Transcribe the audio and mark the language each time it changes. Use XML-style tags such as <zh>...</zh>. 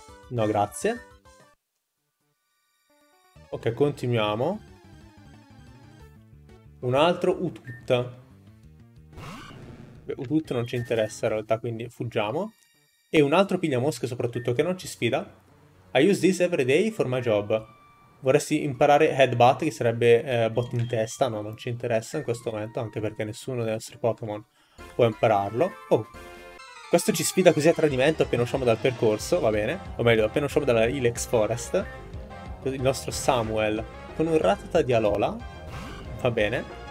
<it>No, grazie. Ok, continuiamo. Un altro Utut. Utut non ci interessa in realtà, quindi fuggiamo. E un altro Pigliamosche soprattutto che non ci sfida.</it> <en>I use this every day for my job.</en> <it>Vorresti imparare Headbutt, che sarebbe botto in testa. No, non ci interessa in questo momento, anche perché nessuno dei nostri Pokémon può impararlo. Oh. Questo ci sfida così a tradimento appena usciamo dal percorso, va bene. O meglio, appena usciamo dalla Ilex Forest. Il nostro Samuel con un Rattata di Alola. Va bene.</it>